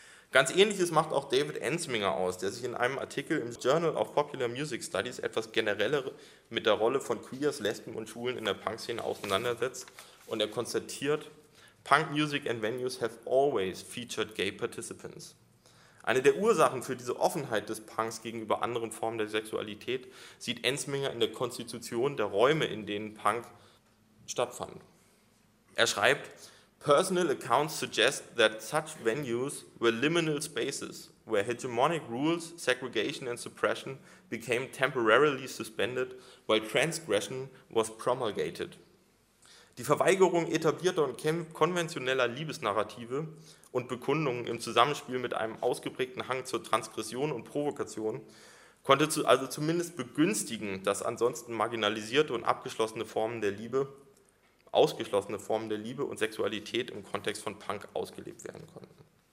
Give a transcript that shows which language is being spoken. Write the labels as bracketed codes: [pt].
[de] Ganz Ähnliches macht auch David Ensminger aus, der sich in einem Artikel im Journal of Popular Music Studies etwas genereller mit der Rolle von Queers, Lesben und Schwulen in der Punkszene auseinandersetzt, und er konstatiert: [en] Punk music and venues have always featured gay participants. [de] Eine der Ursachen für diese Offenheit des Punks gegenüber anderen Formen der Sexualität sieht Ensminger in der Konstitution der Räume, in denen Punk stattfand. Er schreibt: [en] Personal accounts suggest that such venues were liminal spaces, where hegemonic rules, segregation and suppression became temporarily suspended, while transgression was promulgated. [de] Die Verweigerung etablierter und konventioneller Liebesnarrative und Bekundungen im Zusammenspiel mit einem ausgeprägten Hang zur Transgression und Provokation konnte also zumindest begünstigen, dass ansonsten marginalisierte und ausgeschlossene Formen der Liebe und Sexualität im Kontext von Punk ausgelebt werden konnten.